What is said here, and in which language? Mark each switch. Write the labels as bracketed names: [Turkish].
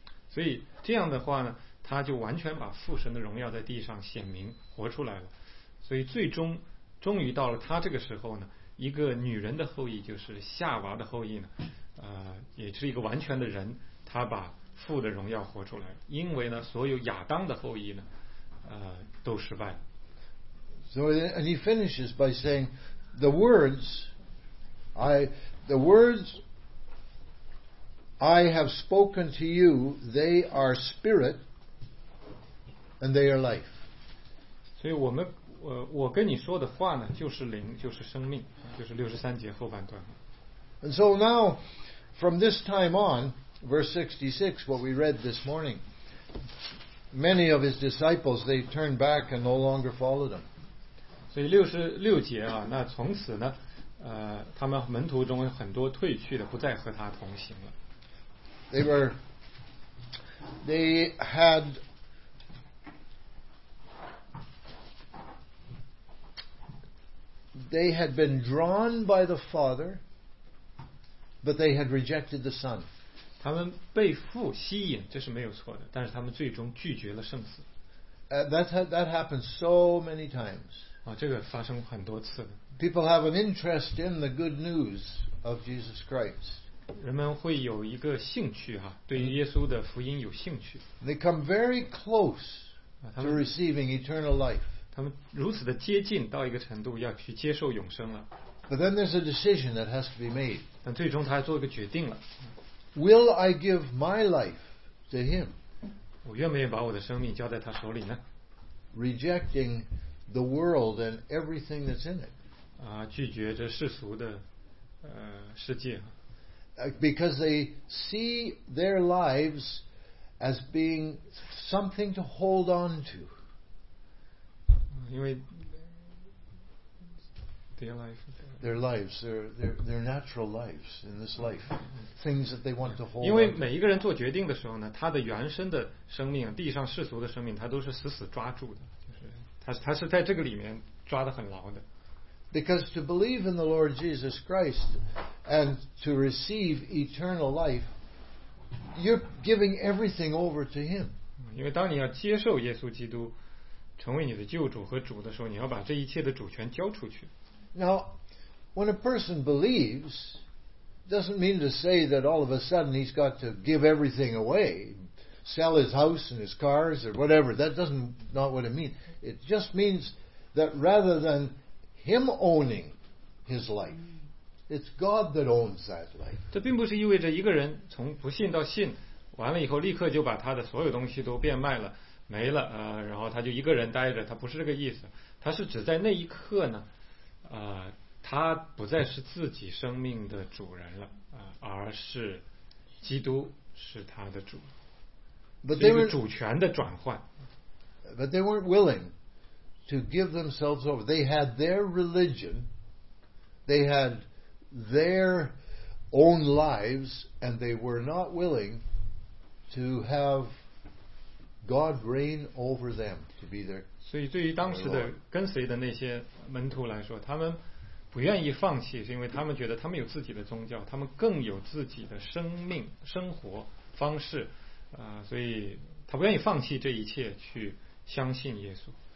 [Chinese] 所以这样的话呢，他就完全把父神的荣耀在地上显明活出来了。所以最终，终于到了他这个时候呢。一个女人的后裔，就是夏娃的后裔呢，也是一个完全的人，他把父的荣耀活出来。因为呢，所有亚当的后裔呢，都失败了。 [English] So and he finishes by saying, the words I have spoken to you, they are spirit, and they are life. [Chinese] 所以我跟你说的话呢，就是灵，就是生命，就是63节后半段。 [English] And so now, from this time on, verse 66, what we read this morning, many of his disciples, they turned back and no longer followed him. [Chinese] 所以66节啊，那从此呢，他们门徒中很多退去的，不再和他同行了。 [English] They had they had been drawn by the Father, but they had rejected the Son. [Chinese] 他们被父吸引，这是没有错的，但是他们最终拒绝了圣子。 [English] That happened so many times. [Chinese] 啊，这个发生很多次的。 [English] People have an interest in the good news of Jesus Christ. [Chinese] 人们会有一个兴趣哈，对于耶稣的福音有兴趣。 [English] They come very close to receiving eternal life. [Chinese] 他们如此的接近到一个程度，要去接受永生了。 [English] But then there's a decision that has to be made. [Chinese] 但最终他做一个决定了。 [English] Will I give my life to him? [Chinese] 我愿不愿意把我的生命交在他手里呢？ [English] Rejecting the world and everything that's in it. [Chinese] 拒绝这世俗的世界。 [English] Because they see their lives as being something to hold on to. [Chinese] 因为 [English] their life. Their lives, their natural lives in this life, things that they want to hold. [Chinese] 因为每一个人做决定的时候呢，他的原生的生命，地上世俗的生命，他都是死死抓住的，就是他是在这个里面抓得很牢的。 [English] Because to believe in the Lord Jesus Christ and to receive eternal life, you're giving everything over to Him. [Chinese] 因为当你要接受耶稣基督成为你的救主和主的时候，你要把这一切的主权交出去。 [English] Now. When a person believes, doesn't mean to say that all of a sudden he's got to give everything away, sell his house and his cars or whatever. That doesn't not what it means. It just means that rather than him owning his life, it's God that owns that life. [Chinese] 这并不是意味着一个人从不信到信，完了以后立刻就把他的所有东西都变卖了，没了，然后他就一个人待着。他不是这个意思。他是指在那一刻呢，他不再是自己生命的主人了，而是基督是他的主，这个主权的转换。 [English] But they weren't willing to give themselves over. They had their religion, they had their own lives, and they were not willing to have God reign over them to be their. [Chinese] 所以，对于当时的跟随的那些门徒来说，他们。不愿意放弃，是因为他们觉得他们有自己的宗教，他们更有自己的生命生活方式，所以他不愿意放弃这一切去相信耶稣。